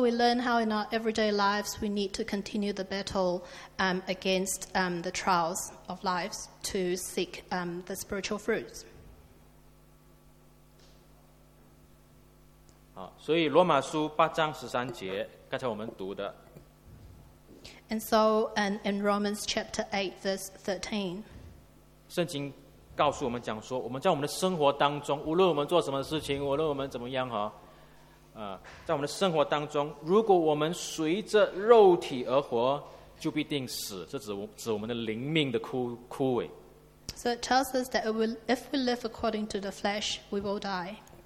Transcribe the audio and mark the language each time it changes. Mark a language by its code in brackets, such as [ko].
[en] we learn how in our everyday lives we need to continue the battle against the trials of lives to seek the spiritual fruits. [zh] 所以罗马书8章13节，刚才我们读的。 [en] And so in Romans chapter 8 verse 13. [zh] 圣经告诉我们讲说，我们在我们的生活当中，无论我们做什么事情，无论我们怎么样，在我们的生活当中，如果我们随着肉体而活，就必定死，是指我们的灵命的枯萎。 [en] So it tells us that if we live according to the flesh, we will die.